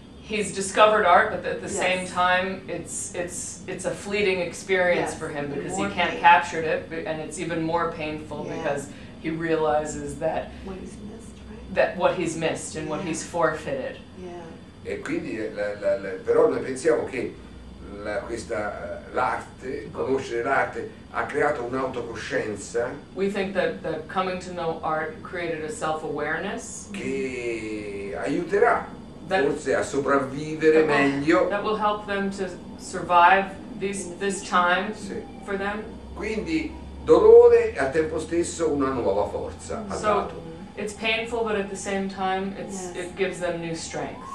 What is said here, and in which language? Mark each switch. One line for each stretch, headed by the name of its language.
English: he's discovered art, but at the same time, it's a fleeting experience for him because he can't capture it, and it's even more painful because he realizes that what he's missed and what he's forfeited. Yeah.
Italian: E quindi, però noi pensiamo che l'arte, conoscere l'arte, ha creato un'autocoscienza.
English: We think that coming to know art created a self-awareness
Italian: che aiuterà.
English: That,
Italian: forse a sopravvivere meglio.
English: That will help them to survive this time for them.
Italian: Quindi dolore e al tempo stesso una nuova forza.
English: So it's painful, but at the same time it gives them new strength.